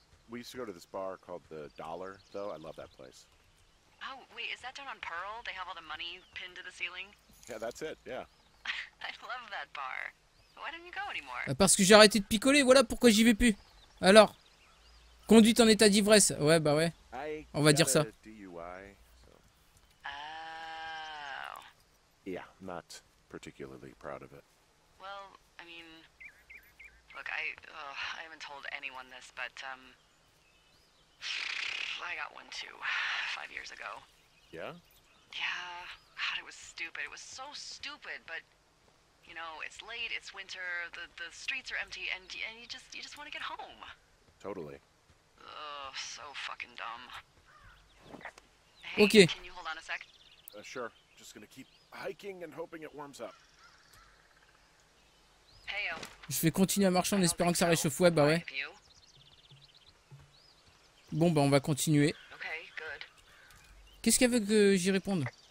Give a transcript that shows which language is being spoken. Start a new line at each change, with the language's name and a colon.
English: We used to go to this bar called the Dollar though. I love that place. Oh, wait, is that down on Pearl? They have all the money pinned to the ceiling? Yeah, that's it. Yeah. I love that bar. Why don't you go anymore?
French: Parce que j'ai arrêté de picoler, voilà pourquoi j'y vais plus. Alors, conduite en état d'ivresse. Ouais, bah ouais. On va dire ça.
English: DUI, so. Oh. Yeah, not particularly proud of it. Well, I mean, look, I haven't told anyone this, but I got one too 5 years ago. Yeah? Yeah. God, it was stupid. It was so stupid, but you know, it's late, it's winter, the streets are empty, and you just want to get home. Totally. Oh, so fucking dumb. Hey, okay. Can you hold on a sec? Sure. Just gonna keep hiking and hoping it warms up. Hey, yo.
French: Je vais continuer à marcher en espérant que ça réchauffe. Ouais, bah ouais. Bon, bah on va continuer.
English: Okay, good.
French: Qu'est-ce qu'elle veut que j'y réponde?